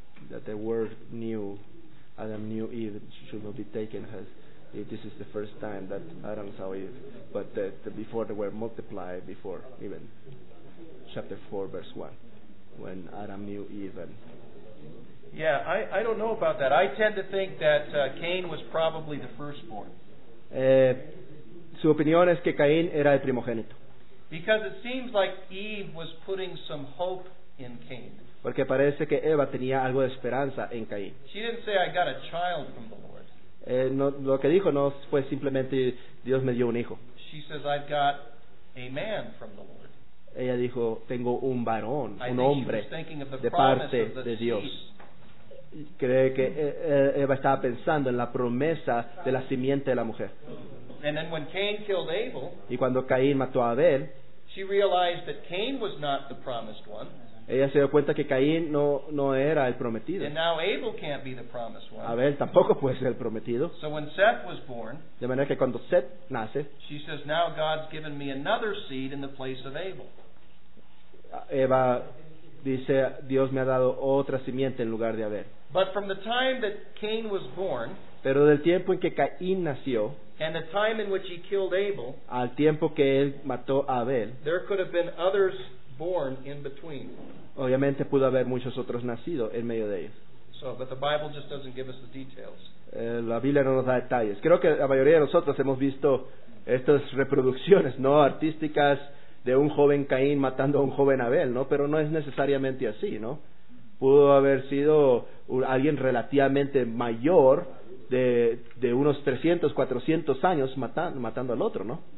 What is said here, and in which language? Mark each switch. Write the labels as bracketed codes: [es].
[en] That the word new, Adam knew Eve, should not be taken as this is the first time that Adam saw Eve, but that before they were multiplied, before even chapter 4 verse 1 when Adam knew Eve. Yeah, I don't know about that. I tend to think that Cain was probably the firstborn. [es] Su opinión es que Caín era el primogénito. [en] Because it seems like Eve was putting some hope in Cain. [es] Porque parece que Eva tenía algo de esperanza en Caín. [en] She didn't say, I got a child from the Lord. [es] No, lo que dijo no fue simplemente Dios me dio un hijo. [en] She says, I've got a man from the Lord. [es] Ella dijo, tengo un varón, [en] I [es] un hombre de parte de Dios. Cree que Eva estaba pensando en la promesa de la simiente de la mujer. [en] And then when Cain killed Abel, [es] y cuando Caín mató a Abel, [en] she realized that Cain was not the promised one. [es] Ella se dio cuenta que Caín no era el prometido. [en] And now Abel can't be the promised one. [es] Abel tampoco puede ser el prometido. [en] So when Seth was born, [es] de manera que cuando Seth nace, [en] she says, now God's given me another seed in the place of Abel. [es] Eva dice, Dios me ha dado otra simiente en lugar de Abel. [en] But from the time that Cain was born, [es] pero del tiempo en que Caín nació, [en] and the time in which he killed Abel, [es] al tiempo que él mató a Abel, [en] there could have been others born in between. [es] Obviamente pudo haber muchos otros nacidos en medio de ellos. [en] So, but the Bible just doesn't give us the details. [es] La Biblia no nos da detalles. Creo que la mayoría de nosotros hemos visto estas reproducciones, ¿no? Artísticas de un joven Caín matando a un joven Abel, ¿no? Pero no es necesariamente así, ¿no? Pudo haber sido alguien relativamente mayor de unos 300, 400 años matando al otro, ¿no?